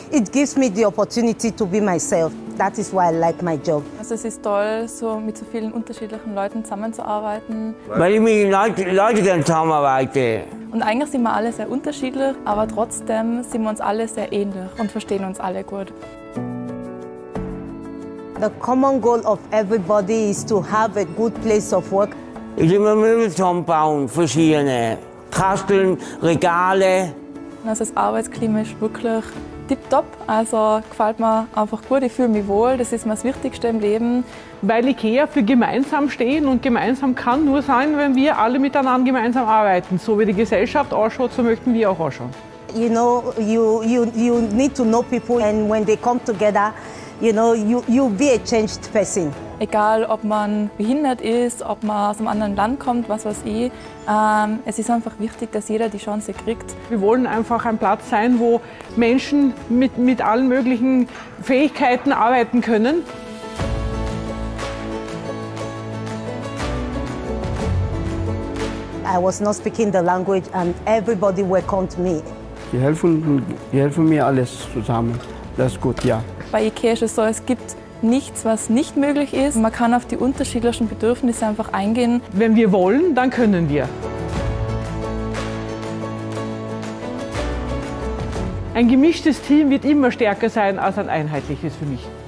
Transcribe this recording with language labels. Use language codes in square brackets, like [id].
[en] It gives me the opportunity to be myself. That is why I like my job. [de] Also es ist toll, so mit so vielen unterschiedlichen Leuten zusammenzuarbeiten. Weil ich mit Leuten zusammenarbeite. Und eigentlich sind wir alle sehr unterschiedlich, aber trotzdem sind wir uns alle sehr ähnlich und verstehen uns alle gut. [en] The common goal of everybody is to have a good place of work. [de] Ich will mir Möbel zusammenbauen, verschiedene. Kasteln, Regale. Also das Arbeitsklima ist wirklich tipptopp, also gefällt mir einfach gut, ich fühle mich wohl, das ist mir das Wichtigste im Leben. Weil IKEA für gemeinsam stehen und gemeinsam kann nur sein, wenn wir alle miteinander gemeinsam arbeiten. So wie die Gesellschaft ausschaut, so möchten wir auch ausschauen. [en] You know, you need to know people and when they come together, you know, you be a changed person. [de] Egal, ob man behindert ist, ob man aus einem anderen Land kommt, was weiß ich. Es ist einfach wichtig, dass jeder die Chance kriegt. Wir wollen einfach ein Platz sein, wo Menschen mit allen möglichen Fähigkeiten arbeiten können. [en] I was not speaking the language and everybody welcomed me. [de] Die helfen mir alles zusammen. Das ist gut, ja. Bei IKEA ist es so, es gibt nichts, was nicht möglich ist. Man kann auf die unterschiedlichen Bedürfnisse einfach eingehen. Wenn wir wollen, dann können wir. Ein gemischtes Team wird immer stärker sein als ein einheitliches für mich.